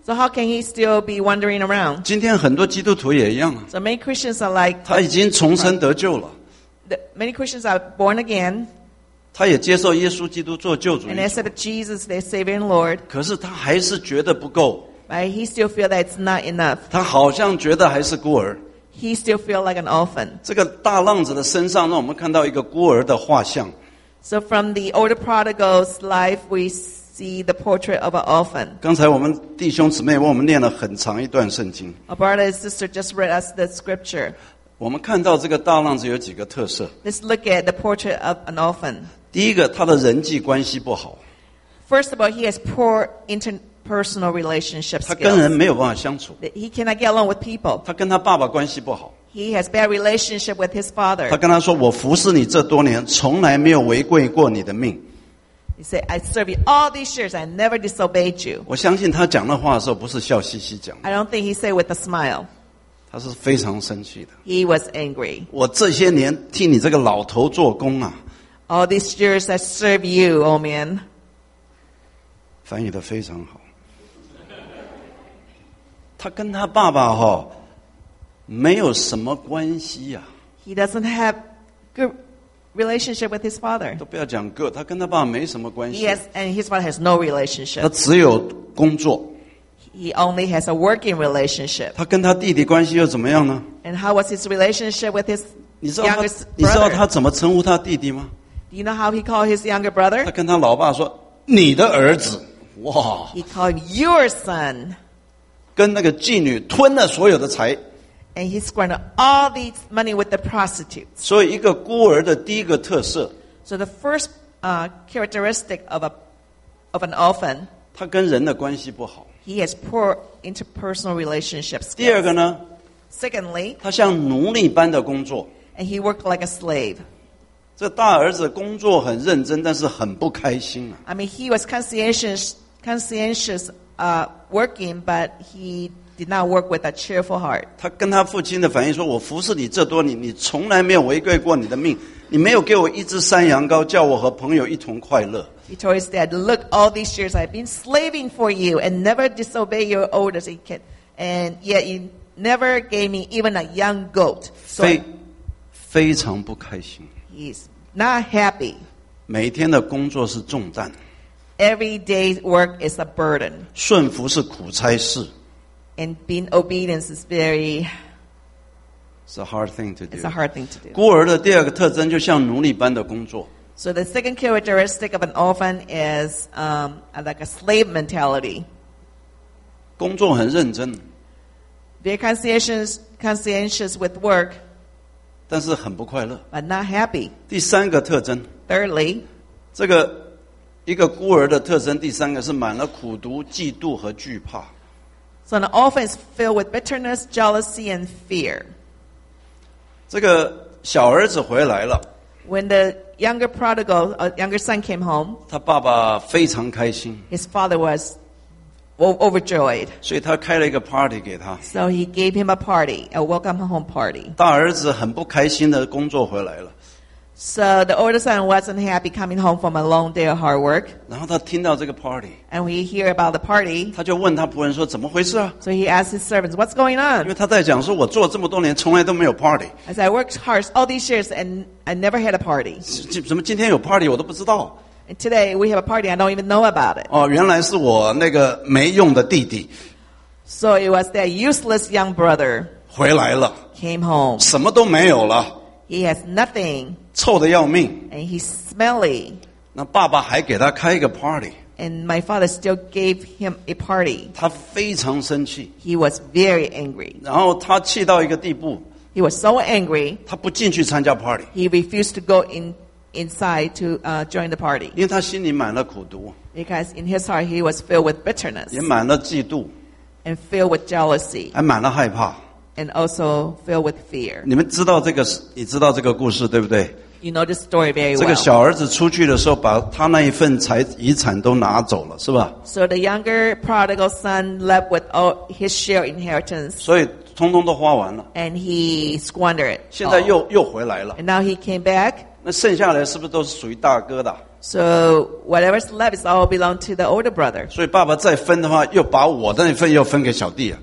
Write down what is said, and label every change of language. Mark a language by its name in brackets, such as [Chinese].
[English] ？So how can he still be wandering around？ [Chinese] 今天很多基督徒也一样啊。 [English] So many Christians are like [Chinese] 他已经重生得救了。 [English] The many Christians are born again。 [Chinese] 他也接受耶稣基督做救主。 [English] And accept Jesus their Savior and Lord。 [Chinese] 可是他还是觉得不够。 [English] But he still feel that it's not enough。 [Chinese] 他好像觉得还是孤儿。 [English] He still feel like an orphan。 [Chinese] 这个大浪子的身上让我们看到一个孤儿的画像。 [English] So from the older prodigal's life, we see the portrait of an orphan. [Chinese] 刚才我们弟兄姊妹为我们念了很长一段圣经。 [English] A brother and sister just read us the scripture. [Chinese] 我们看到这个大浪子有几个特色。 [English] Let's look at the portrait of an orphan. [Chinese] 第一个，他的人际关系不好。 [English] First of all, he has poor interpersonal relationship skills. [Chinese] 他跟人没有办法相处。 [English] He cannot get along with people. [Chinese] 他跟他爸爸关系不好。 [English] He has bad relationship with his father. [Chinese] 他跟他说，我服侍你这多年，从来没有违背过你的命。 [English] He said, I serve you all these years, I never disobeyed you. [Chinese] 我相信他讲那话的时候不是笑嘻嘻讲的。 [English] I don't think he said with a smile. [Chinese] 他是非常生气的。 [English] He was angry. [Chinese] 我这些年替你这个老头做工啊。 [English] All these years I serve you, old man. [Chinese] 翻译得非常好。他跟他爸爸哈、哦没有什么关系啊。 [English] He doesn't have good relationship with his father. [Chinese] 都不要讲个，他跟他爸没什么关系。 [English] Yes, and his father has no relationship. [Chinese] 他只有工作。 [English] He only has a working relationship. [Chinese] 他跟他弟弟关系又怎么样呢？ [English] And how was his relationship with his youngest brother? [Chinese] 你知道他怎么称呼他弟弟吗？ [English] Do you know how he called his younger brother? [Chinese] 他跟他老爸说，你的儿子，哇！ [English] He called your son. [Chinese] 跟那个妓女吞了所有的财。 [English] And he squandered all the money with the prostitutes. [Chinese] 所以一个孤儿的第一个特色。 [English] So the first characteristic of an orphan. [Chinese] 他跟人的关系不好。 [English] He has poor interpersonal relationships. [Chinese] 第二个呢？ [English] Secondly. [Chinese] 他像奴隶般的工作。 [English] And he worked like a slave. [Chinese] 这大儿子工作很认真，但是很不开心啊。 [English] I mean, he was conscientious, working, but he. Did not work with a cheerful heart. [Chinese] 他跟他父亲的反应说：“我服侍你这多年，你从来没有违背过你的命，你没有给我一只山羊羔，叫我和朋友一同快乐。” [English] He told his dad, "Look, all these years I've been slaving for you and never disobey your orders, and yet you never gave me even a young goat." [Chinese] So, 非常不开心。 [English] He's not happy. [Chinese] 每天的工作是重担。 [English] Every day's work is a burden. [Chinese] 顺服是苦差事。 [English] And being obedient is very. It's a hard thing to do. It's a hard thing to do. [Chinese] 孤儿的第二个特征就像奴隶般的工作。 [English] So the second characteristic of an orphan is like a slave mentality. [Chinese] 工作很认真。 [English] Very conscientious with work. [Chinese] 但是很不快乐。 [English] But not happy. [Chinese] 第三个特征。 [English] Thirdly. [Chinese] 这个一个孤儿的特征，第三个是满了苦毒、嫉妒和惧怕。 [English] So an orphan is filled with bitterness, jealousy, and fear. [Chinese] 这个小儿子回来了。 [English] When the younger prodigal, a younger son came home, [Chinese] 他爸爸非常开心。 [English] His father was overjoyed. [Chinese] 所以他开了一个 party 给他。 [English] So he gave him a party, a welcome home party. [Chinese] 大儿子很不开心的工作回来了。 [English] So the older son wasn't happy coming home from a long day of hard work. [Chinese] 然后他听到这个 party. [English] And we hear about the party. [Chinese] 他就问他仆人说怎么回事啊？ [English] So he asked his servants, what's going on? [Chinese] 因为他在讲说我做这么多年从来都没有 party. [English] As I worked hard all these years and I never had a party. [Chinese] 怎么今天有 party 我都不知道。 [English] And today we have a party, I don't even know about it. [Chinese] 哦，原来是我那个没用的弟弟。 [English] So it was that useless young brother. [Chinese] 回来了。 [English] Came home. [Chinese] 什么都没有了。 [English] He has nothing. [Chinese] 臭得要命。 [English] And he's smelly. [Chinese] 那爸爸还给他开一个 party。 [English] And my father still gave him a party. [Chinese] 他非常生气。 [English] He was very angry. [Chinese] 然后他气到一个地步。 [English] He was so angry. [Chinese] 他不进去参加 party. [English] He refused to go inside to join the party. [Chinese] 因为他心里满了苦毒。 [English] Because in his heart he was filled with bitterness. [Chinese] 也满了嫉妒。 [English] And filled with jealousy. [Chinese] 还满了害怕。 [English] And also filled with fear. [Chinese] 你们知道这个，你知道这个故事，对不对？ [English] You know this story very well. [Chinese] 这个小儿子出去的时候把他那一份财遗产都拿走了，是吧？ [English] So the younger prodigal son left with all his share inheritance. [Chinese] 所以通通都花完了。 [English] And he squandered it. [Chinese] 现在又回来了。 [English] And now he came back. [Chinese] 那剩下来是不是都是属于大哥的？ [English] So whatever's left is all belong to the older brother. [Chinese] 所以爸爸再分的话又把我的那份又分给小弟啊。